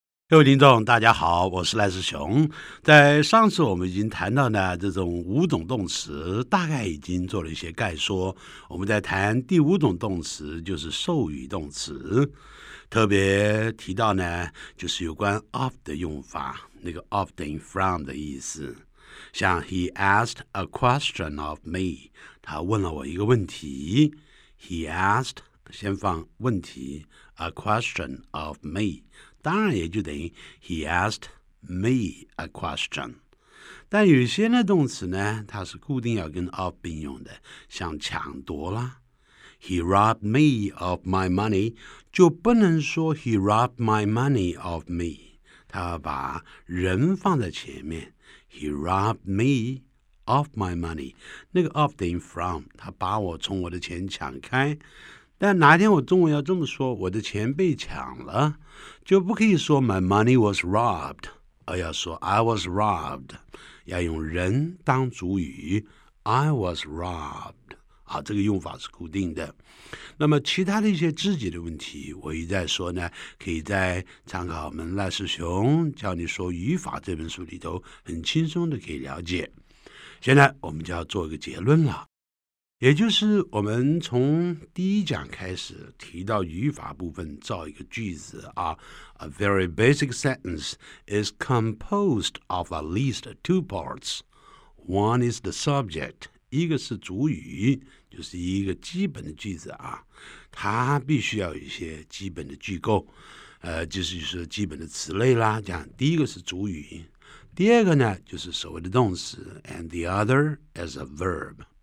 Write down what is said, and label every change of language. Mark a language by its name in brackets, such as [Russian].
[Chinese] 各位听众大家好，我是赖世雄。在上次我们已经谈到呢，这种五种动词大概已经做了一些概说，我们在谈第五种动词，就是授予动词，特别提到呢，就是有关 of 的用法，那个 of 等于 from 的意思。 [English] 像 he asked a question of me， [Chinese] 他问了我一个问题。 [English] he asked [Chinese] 先放问题， [English] a question of me， [Chinese] 当然也就等于 [English] he asked me a question。 [Chinese] 但有些呢动词呢，它是固定要跟 of 并用的，像抢夺啦， [English] he robbed me of my money， [Chinese] 就不能说 [English] he robbed my money of me， [Chinese] 他把人放在前面， he robbed me of my money， 那个 of 等于 from， 他把我从我的钱抢开。但哪天我中文要这么说，我的钱被抢了，就不可以说 [English] my money was robbed， [Chinese] 而要说 [English] I was robbed， [Chinese] 要用人当主语， I was robbed。好，这个用法是固定的。那么其他的一些肢体的问题，我一再说呢，可以在参考我们赖世雄教你说语法这本书里头，很轻松的可以了解。现在我们就要做一个结论了，也就是我们从第一讲开始提到语法部分，造一个句子啊。 [English] A very basic sentence is composed of at least two parts. One is the subject， [Chinese] 一个是主语，就是一个基本的句子啊，它必须要有一些基本的句构，就是基本的词类啦。这样第一个是主语，第二个呢就是所谓的动词， [English] and the other is a verb。